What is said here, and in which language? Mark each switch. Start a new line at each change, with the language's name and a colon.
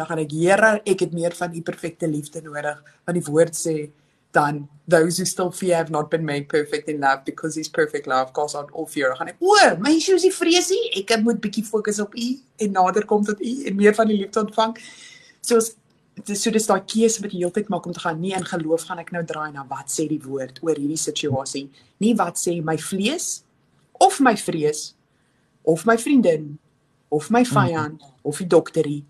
Afrikaans: Dan gaan ek, Here, ek het meer van u perfekte liefde nodig. Want die woord sê dan
English: those who still fear have not been made perfect in love because his perfect love cast out all fear.
Afrikaans: Dan gaan ek, o, my issue is die vreesie. Ek moet bietjie fokus op u en nader kom tot u en meer van die liefde ontvang. So dis daai keuse wat jy heeltyd maak om te gaan, nie in geloof gaan ek nou draai na wat sê die woord oor hierdie situasie, nie wat sê my vlees of my vrees of my vriendin of my vyand of die dokterie.